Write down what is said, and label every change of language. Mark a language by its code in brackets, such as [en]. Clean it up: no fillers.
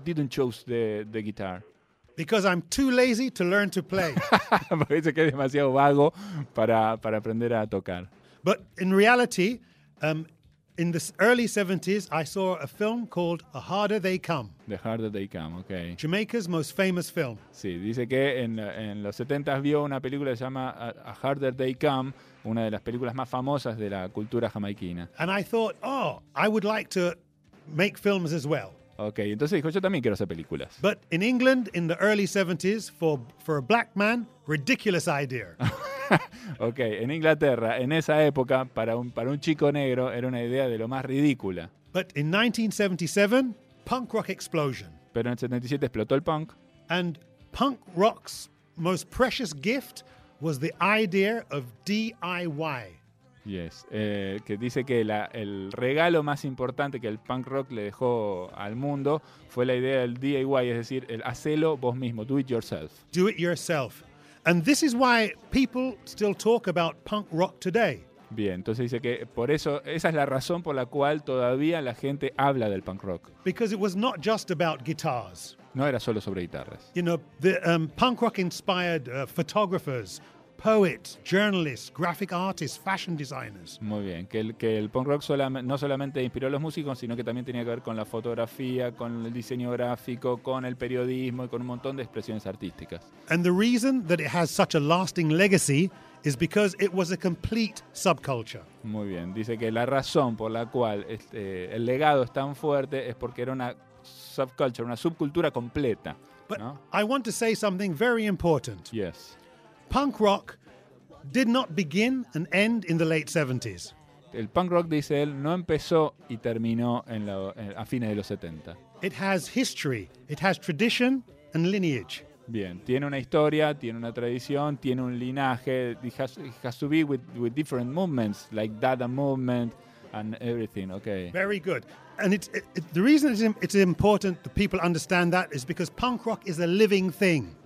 [en] Didn't choose the guitar because I'm too lazy to learn to play. [es] Porque dice que es demasiado vago para aprender a tocar. [en] But in reality, in the early 70s, I saw a film called The Harder They Come. The Harder They Come, okay. Jamaica's most famous film. [es] Sí, dice que en los 70s vio una película que se llama A Harder They Come, una de las películas más famosas de la cultura jamaiquina. [en] And I thought, oh, I would like to make films as well. [es] Okay, entonces dijo, yo también quiero hacer películas. [en] But in England in the early 70s, for a black man, ridiculous idea. [es] Okay, en Inglaterra en esa época para un chico negro era una idea de lo más ridícula. [en] But in 1977, punk rock explosion. [es] Pero en el 77 explotó el punk. [en] And punk rock's most precious gift was the idea of DIY. [es] Yes, que dice que el regalo más importante que el punk rock le dejó al mundo fue la idea del DIY, es decir, el hacelo vos mismo, [en] do it yourself. Do it yourself. And this is why people still talk about punk rock today. [es] Bien, entonces dice que por eso, esa es la razón por la cual todavía la gente habla del punk rock. [en] Because it was not just about guitars. [es] No era solo sobre guitarras. [en] You know, the punk rock inspired photographers, poets, journalists, graphic artists, fashion designers. [es] Muy bien, que el punk rock no solamente inspiró a los músicos, sino que también tenía que ver con la fotografía, con el diseño gráfico, con el periodismo y con un montón de expresiones artísticas. [en] And the reason that it has such a lasting legacy is because it was a complete subculture. [es] Muy bien, dice que la razón por la cual el legado es tan fuerte es porque era una subculture, una subcultura completa. [en] But [es] ¿no? [en] I want to say something very important. Yes. Punk rock did not begin and end in the late 70s. [es] El punk rock, dice él, no empezó y terminó a fines de los 70. [en] It has history, it has tradition and lineage. [es] Bien, tiene una historia, tiene una tradición, tiene un linaje. [en] It has to be with different movements, like Dada movement and everything, okay. Very good. And the reason it's important that people understand that is because punk rock is a living thing.